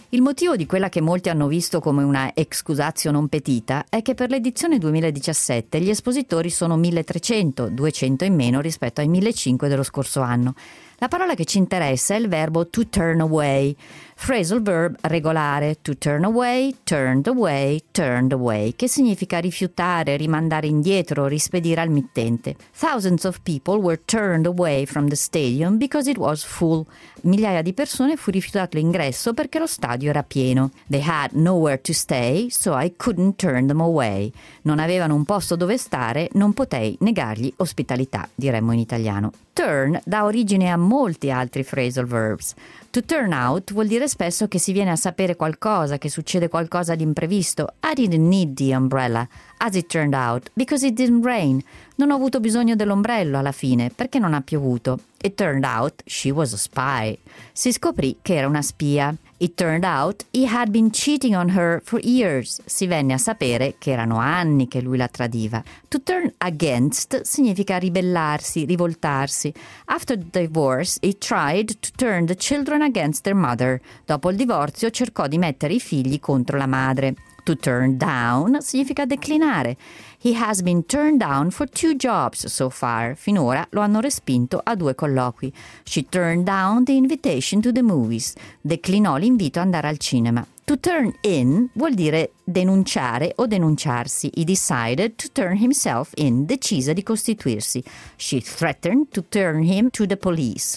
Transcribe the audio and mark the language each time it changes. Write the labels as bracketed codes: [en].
[it] Il motivo di quella che molti hanno visto come una excusatio non petita è che per l'edizione 2017 gli espositori sono 1300, 200 in meno rispetto ai 1500 dello scorso anno. La parola che ci interessa è il verbo [en] to turn away, phrasal verb regolare, to turn away, turned away, [it] turned away, che significa rifiutare, rimandare indietro, rispedire al mittente. [en] Thousands of people were turned away from the stadium because it was full. [it] Migliaia di persone fu rifiutato l'ingresso perché lo stadio era pieno. [en] They had nowhere to stay, so I couldn't turn them away. [it] Non avevano un posto dove stare, non potei negargli ospitalità, diremmo in italiano. Turn dà origine a molti altri phrasal verbs. To turn out vuol dire spesso che si viene a sapere qualcosa, che succede qualcosa di imprevisto. [en] I didn't need the umbrella, as it turned out, because it didn't rain. [it] Non ho avuto bisogno dell'ombrello alla fine, perché non ha piovuto. [en] It turned out she was a spy. [it] Si scoprì che era una spia. [en] It turned out he had been cheating on her for years. [it] Si venne a sapere che erano anni che lui la tradiva. To turn against significa ribellarsi, rivoltarsi. [en] After the divorce, he tried to turn the children against their mother. [it] Dopo il divorzio, cercò di mettere i figli contro la madre. To turn down significa declinare. [en] He has been turned down for 2 jobs so far. [it] Finora lo hanno respinto a 2 colloqui. [en] She turned down the invitation to the movies. [it] Declinò l'invito ad andare al cinema. To turn in vuol dire denunciare o denunciarsi. [en] He decided to turn himself in, [it] decise di costituirsi. [en] She threatened to turn him to the police.